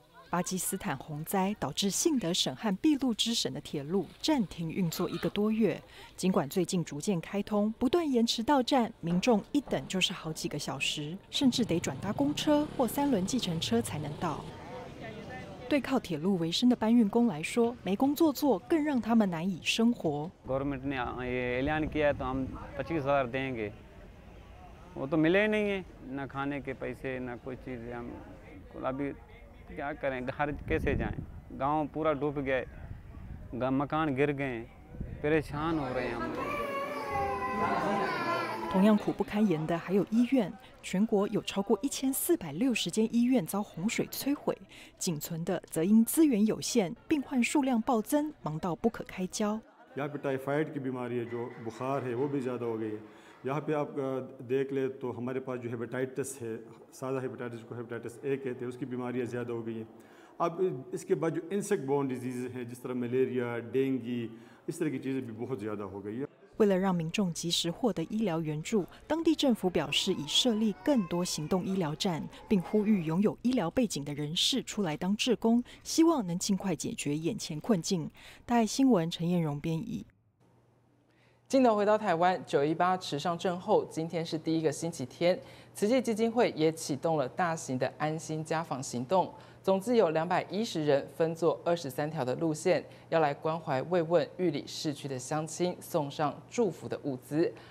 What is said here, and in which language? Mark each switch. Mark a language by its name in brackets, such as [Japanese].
[Chinese] 巴基斯坦洪灾导致信德省和俾路支省的铁路暂停运作一个多月，尽管最近逐渐开通，不断延迟到站，民众一等就是好几个小时，甚至得转搭公车或三轮计程车才能到。对靠铁路为生的搬运工来说，没工作做更让他们难以生活。 [Hindi] Government ने ये ऐलान किया है तो हम 25,000 देंगे, वो तो मिले नहीं है, ना खाने के पैसे, ना कोई चीज़ हम अभी क्या करें, घर कैसे जाएं, गांव पूरा डूब गया, मकान गिर गए, परेशान हो रहे हैं हम लोग。 [Chinese] 同样苦不堪言的还有医院，全国有超过1460间医院遭洪水摧毁，仅存的则因资源有限、病患数量暴增，忙到不可开交。 [Hindi] यहाँ पे टाइफाइड की बीमारी है, जो बुखार है वो भी ज्यादा हो गई है. यहाँ पे आप देख ले तो हमारे पास जो हेपेटाइटिस है, सादा हेपेटाइटिस को हेपेटाइटिस ए कहते हैं, उसकी बीमारियाँ ज्यादा हो गई हैं. अब इसके बाद जो इंसेक्ट बॉर्न डिजीज हैं, जिस तरह मलेरिया, डेंगू, इस तरह की चीजें भी बहुत ज्यादा हो गई है。 [Chinese] 为了让民众及时获得医疗援助，当地政府表示已设立更多行动医疗站，并呼吁拥有医疗背景的人士出来当志工，希望能尽快解决眼前困境。大爱新闻陈彦荣编译。镜头回到台湾，九一八池上震后，今天是第一个星期天，慈济基金会也启动了大型的安心家访行动，总计有210人分作23条的路线，要来关怀慰问玉里市区的乡亲，送上祝福的物资。